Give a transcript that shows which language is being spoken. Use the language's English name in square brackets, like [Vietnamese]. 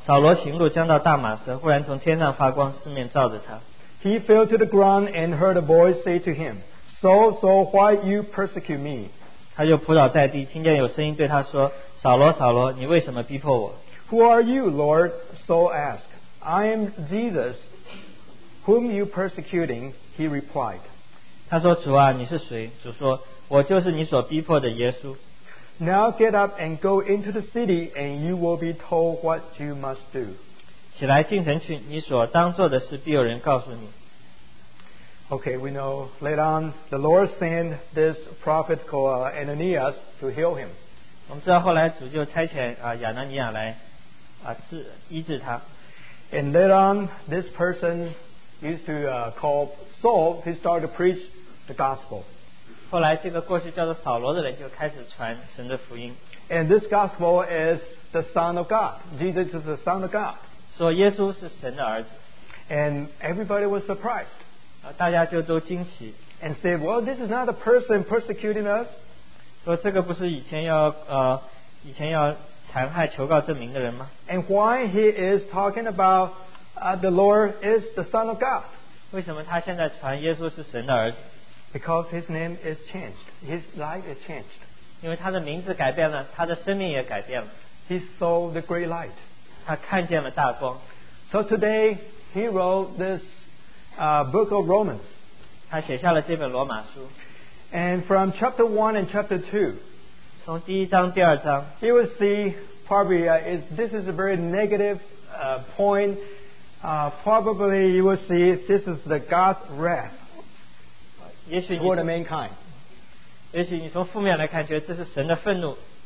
[Chinese] 扫罗行路将到大马色，忽然从天上发光，四面照着他。 [English] He fell to the ground and heard a voice say to him, Saul, Saul, why you persecute me? [Chinese] 他就扑倒在地，听见有声音对他说：“扫罗，扫罗，你为什么逼迫我 [English] ？”Who are you, Lord? Saul asked. I am Jesus, whom you persecuting. He replied. [Chinese] 他说：“主啊，你是谁？” 主说：“我就是你所逼迫的耶稣。 [English] ”Now get up and go into the city, and you will be told what you must do. [Chinese] 起来进城去，你所当做的事必有人告诉你。 [English] Okay, we know later on the Lord sent this prophet called Ananias to heal him. [Chinese] 我们知道后来主就差遣亚拿尼亚来医治他。 [English] And later on, this person used to call Saul. He started to preach the gospel. [Chinese] 后来这个过去叫做扫罗的人就开始传神的福音。 [English] And this gospel is the Son of God. Jesus is the Son of God. [Chinese] 说耶稣是神的儿子。 [English] And everybody was surprised. [Chinese] 大家就都惊奇 [English] and said, "Well, this is not a person persecuting us." [Chinese] 说这个不是以前要残害求告证明的人吗 [English] ？And why he is talking about the Lord is the Son of God? [Chinese] 为什么他现在传耶稣是神的儿子 [English] ？Because his name is changed, his life is changed. [Chinese] 因为他的名字改变了，他的生命也改变了。 [English] He saw the great light. [Chinese] 他看见了大光。 [English] So today he wrote this. Book of Romans. [Chinese] 他写下了这本罗马书。 [English] And from chapter 1 and chapter 2, [Chinese] 从第一章第二章, [English] you will see probably this is a very negative point. Probably you will see this is the God's wrath toward mankind. [Chinese] 也许你从负面来看觉得这是神的愤怒。